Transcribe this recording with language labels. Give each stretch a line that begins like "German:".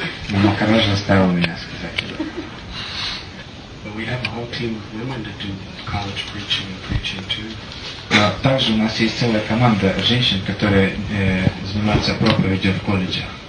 Russian: Но Махарадж заставил меня сказать.
English: But we have a whole team of women to do college preaching and preaching too.
Russian: Но также у нас есть целая команда женщин, которые занимаются проповедью в колледже.